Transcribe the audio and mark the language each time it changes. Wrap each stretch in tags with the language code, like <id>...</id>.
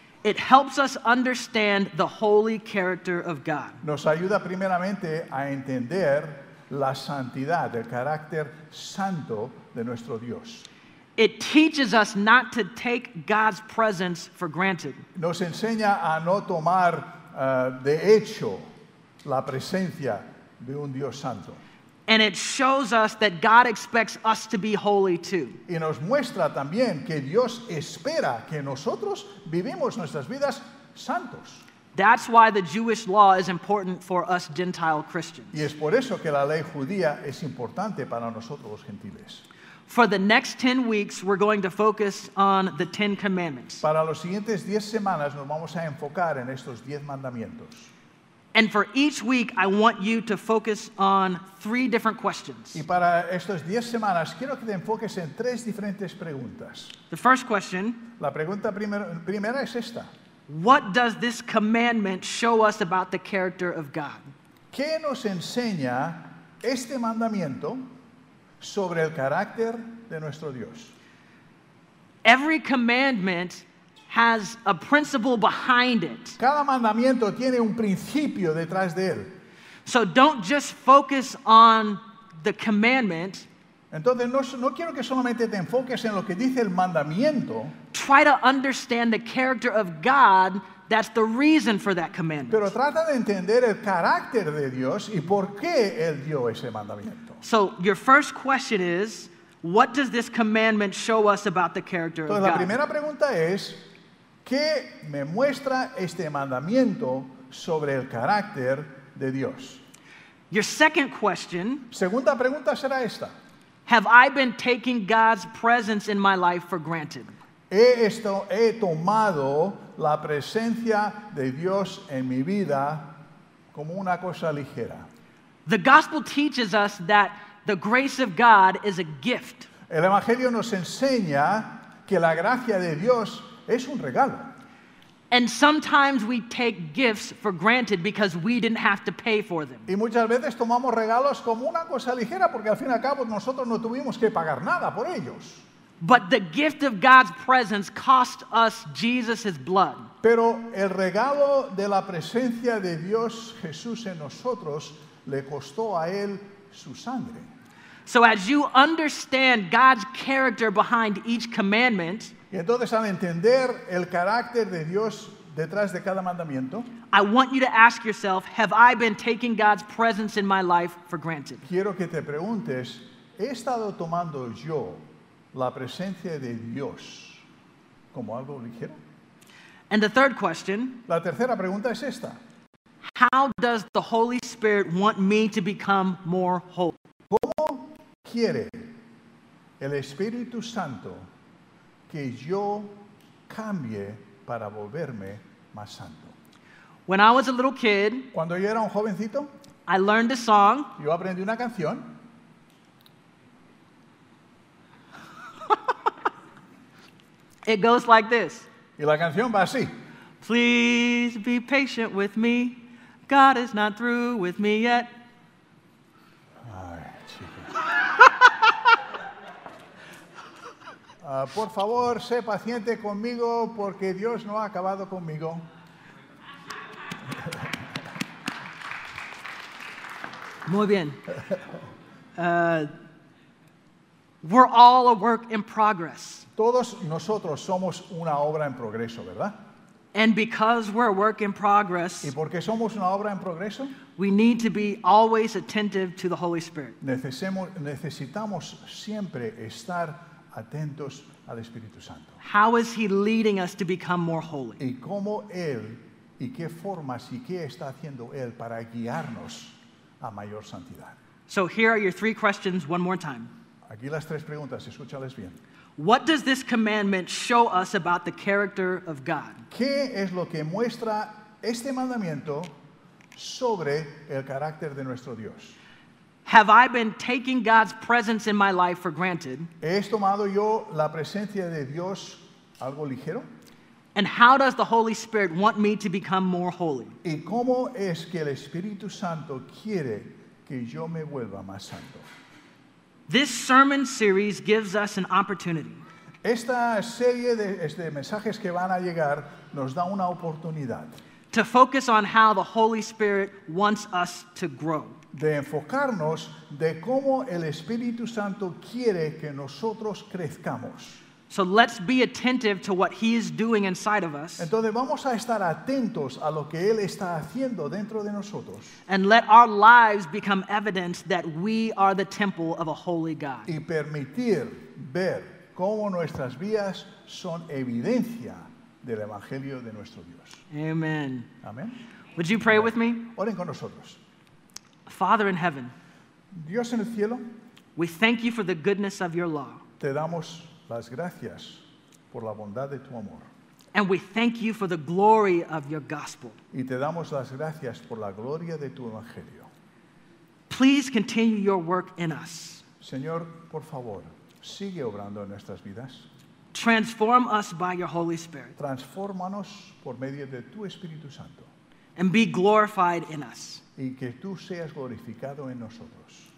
<en>It helps us understand the holy character of God.</en> <es>Nos ayuda primeramente a entender la santidad, el carácter santo de nuestro Dios.</es> <en>It teaches us not to take God's presence for granted.</en> <es>Nos enseña a no tomar de hecho la presencia de un Dios santo.</es> <en>And it shows us that God expects us to be holy too.</en> <es>Y nos muestra también que Dios espera que nosotros vivimos nuestras vidas santos.</es> <en>That's why the Jewish law is important for us Gentile Christians.</en> <es>Y es por eso que la ley judía es importante para nosotros los gentiles.</es> <en>For the next 10 weeks, we're going to focus on the 10 commandments.</en> <es>Para los siguientes 10 semanas, nos vamos a enfocar en estos 10 mandamientos.</es> <en>And for each week, I want you to focus on three different questions.</en> <es>Y para estos 10 semanas, quiero que te enfoques en tres diferentes preguntas.</es> <en>The first question.</en> <es>La pregunta primera es esta.</es> <en>What does this commandment show us about the character of God?</en> <es>¿Qué nos enseña este mandamiento sobre el carácter de nuestro Dios?</es> <en>Every commandment has a principle behind it.</en> <es>Cada mandamiento tiene un principio detrás de él.</es> <en>So don't just focus on the commandment.</en> <es>Entonces no quiero que solamente te enfoques en lo que dice el mandamiento.</es> <en>Try to understand the character of God. That's the reason for that commandment.</en> <es>Pero trata de entender el carácter de Dios y por qué él dio ese mandamiento.</es> <en>So your first question is, what does this commandment show us about the character of God?</en> <es>La primera pregunta es, ¿qué me muestra este mandamiento sobre el carácter de Dios?</es> <en>Your second question.</en> <es>Segunda pregunta será esta.</es> <en>Have I been taking God's presence in my life for granted?</en> <es>He tomado la presencia de Dios en mi vida como una cosa ligera.</es> <en>The gospel teaches us that the grace of God is a gift.</en> <es>El evangelio nos enseña que la gracia de Dios es un regalo.</es> <en>And sometimes we take gifts for granted because we didn't have to pay for them.</en> <es>Y muchas veces tomamos regalos como una cosa ligera porque al fin y al cabo nosotros no tuvimos que pagar nada por ellos.</es> <en>But the gift of God's presence cost us Jesus' blood.</en> <es>Pero el regalo de la presencia de Dios Jesús en nosotros le costó a él su sangre.</es> <en>So as you understand God's character behind each commandment,</en> <es>y entonces al entender el carácter de Dios detrás de cada mandamiento,</es> <en>I want you to ask yourself, have I been taking God's presence in my life for granted?</en> <es>Quiero que te preguntes, ¿he estado tomando yo la presencia de Dios como algo ligero?</es> <en>And the third question,</en> <es>la tercera pregunta es esta.</es> <en>How does the Holy Spirit want me to become more holy?</en> <es>¿Cómo quiere el Espíritu Santo que yo cambie para volverme más santo?</es> <en>When I was a little kid,</en> <es>cuando yo era un jovencito,</es> <en>I learned a song.</en> <es>Yo aprendí una canción.</es> <en>It goes like this.</en> <es>Y la canción va así.</es> <en>Please be patient with me. God is not through with me yet.</en> <es>Ay, chicos. Por favor, sé paciente conmigo porque Dios no ha acabado conmigo. Muy bien.</es> <en>We're all a work in progress.</en> <es>Todos nosotros somos una obra en progreso, ¿verdad?</es> <en>And because we're a work in progress,</en> <es>¿y porque somos una obra en progreso?</es> <en>We need to be always attentive to the Holy Spirit.</en> <es>Necesitamos siempre estar atentos al Espíritu Santo.</es> <en>How is he leading us to become more holy?</en> <es>¿Y cómo él, y qué formas, y qué está haciendo él para guiarnos a mayor santidad?</es> <en>So here are your three questions one more time.</en> <es>Aquí las tres preguntas, escúchales bien.</es> <en>What does this commandment show us about the character of God?</en> <es>¿Qué es lo que muestra este mandamiento sobre el carácter de nuestro Dios?</es> <en>Have I been taking God's presence in my life for granted?</en> <es>¿He tomado yo la presencia de Dios algo ligero?</es> <en>And how does the Holy Spirit want me to become more holy?</en> <es>¿Y cómo es que el Espíritu Santo quiere que yo me vuelva más santo?</es> <en>This sermon series gives us an opportunity.</en> <es>Esta serie de mensajes que van a llegar nos da una oportunidad.</es> <en>To focus on how the Holy Spirit wants us to grow.</en> <es>De enfocarnos de cómo el Espíritu Santo quiere que nosotros crezcamos.</es> <en>So let's be attentive to what he is doing inside of us.</en> <es>Entonces vamos a estar atentos a lo que él está haciendo dentro de nosotros.</es> <en>And let our lives become evidence that we are the temple of a holy God.</en> <es>Y permitir ver cómo nuestras vidas son evidencia del evangelio de nuestro Dios.</es> <en>Amen.</en> <es>Amen.</es> <en>Would you pray with me?</en> <es>Oren con nosotros.</es> <en>Father in heaven.</en> <es>Dios en el cielo.</es> <en>We thank you for the goodness of your law.</en> <es>Te damos las gracias por la bondad de tu amor.</es> <en>And we thank you for the glory of your gospel.</en> <es>Y te damos las gracias por la gloria de tu evangelio.</es> <en>Please continue your work in us.</en> <es>Señor, por favor, sigue obrando en nuestras vidas.</es> <en>Transform us by your Holy Spirit.</en> <es>Transfórmanos por medio de tu Espíritu Santo.</es> <en>And be glorified in us.</en> <es>Y que tú seas glorificado en nosotros.</es>